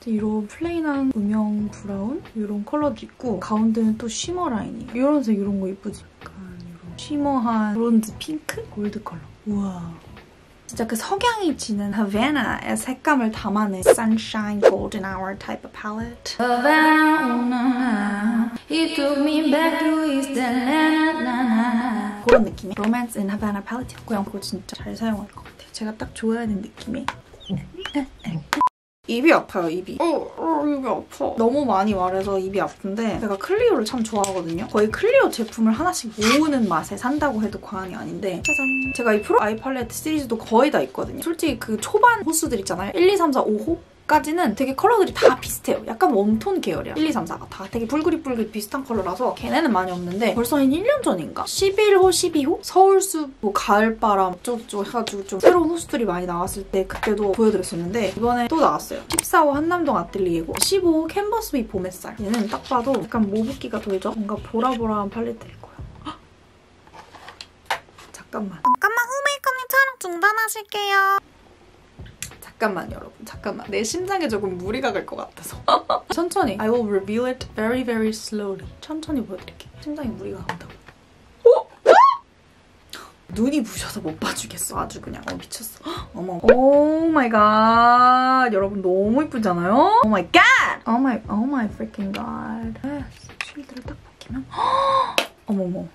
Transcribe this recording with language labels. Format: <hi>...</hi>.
<ko>이런 플레인한 음영 브라운? 요런 컬러도 있고 가운데는 또 쉬머 라인이에요. 요런 색 요런 거 예쁘지? 쉬머한 브론즈 핑크? 골드 컬러. 우와. 진짜 그 석양이 지는 하바나의 색감을 담아낸</ko> <en>Sunshine Golden Hour type of palette. Havana, he took me back to East Atlanta.</en> <ko>그런 느낌의 Romance in Havana palette 였고요. 이거 진짜 잘 사용할 것 같아요. 제가 딱 좋아하는 느낌의. 입이 아파요, 입이. 입이 아파. 너무 많이 말해서 입이 아픈데 제가 클리오를 참 좋아하거든요. 거의 클리오 제품을 하나씩 모으는 맛에 산다고 해도 과언이 아닌데 짜잔. 제가 이 프로 아이 팔레트 시리즈도 거의 다 있거든요. 솔직히 그 초반 호수들 있잖아요. 1, 2, 3, 4, 5호? 까지는 되게 컬러들이 다 비슷해요. 약간 웜톤 계열이야. 1, 2, 3, 4가 다 되게 불그릿불그릿 비슷한 컬러라서 걔네는 많이 없는데 벌써 한 1년 전인가? 11호, 12호? 서울숲, 뭐 가을바람 쪽쪽 해가지고 좀 새로운 호수들이 많이 나왔을 때 그때도 보여드렸었는데 이번에 또 나왔어요. 14호 한남동 아틀리에고 15호 캔버스비 봄햇살. 얘는 딱 봐도 약간 모브기가 돌죠? 뭔가 보라보라한 팔레트일 거야. 잠깐만. 잠깐만 후메이크업님 촬영 중단하실게요. 잠깐만 여러분, 잠깐만. 내 심장에 조금 무리가 갈 것 같아서. 천천히.</ko> <en>I will reveal it very very slowly.</en> <ko>천천히 보여드릴게요. 심장에 무리가 간다고. 오! 눈이 부셔서 못 봐주겠어. 아주 그냥. 어 미쳤어. 어머. 오 마이 갓. 여러분 너무 예쁘잖아요?</ko> <en>오 마이 갓! 오 마이 freaking god.</en> <ko>쉴드를 딱 벗기면. 어머머.</ko>